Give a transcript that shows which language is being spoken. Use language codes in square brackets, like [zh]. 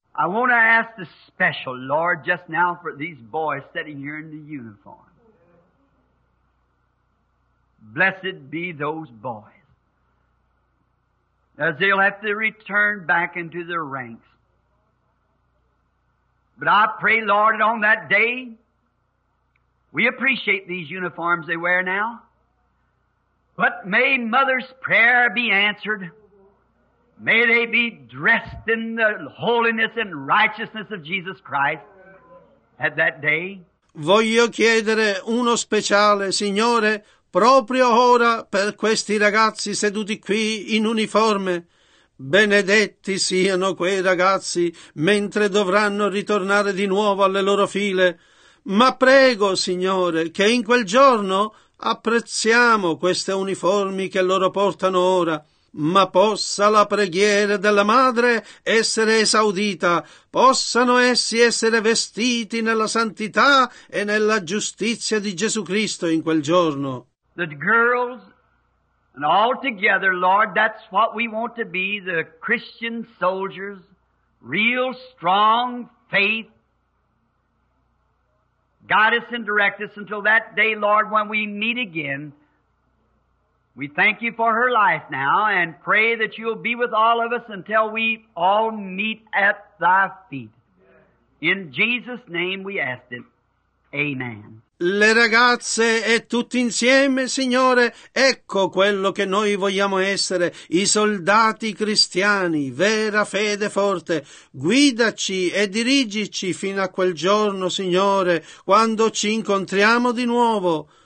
[en] I want to ask the special Lord just now for these boys sitting here in the uniform. Blessed be those boys. As they'll have to return back into their ranks. But I pray, Lord, on that day, we appreciate these uniforms they wear now. But may mother's prayer be answered. May they be dressed in the holiness and righteousness of Jesus Christ at that day. [it] Voglio chiedere uno speciale, Signore, proprio ora per questi ragazzi seduti qui in uniforme. Benedetti siano quei ragazzi mentre dovranno ritornare di nuovo alle loro file. Ma prego, Signore, che in quel giorno apprezziamo queste uniformi che loro portano ora, ma possa la preghiera della madre essere esaudita, possano essi essere vestiti nella santità e nella giustizia di Gesù Cristo in quel giorno. [en] The girls and all together, Lord, that's what we want to be, the Christian soldiers, real strong faith. Guide us and direct us until that day, Lord, when we meet again. We thank you for her life now and pray that you'll be with all of us until we all meet at thy feet. In Jesus' name we ask it. Amen. [it] Le ragazze e tutti insieme, Signore, ecco quello che noi vogliamo essere, i soldati cristiani, vera fede forte. Guidaci e dirigici fino a quel giorno, Signore, quando ci incontriamo di nuovo.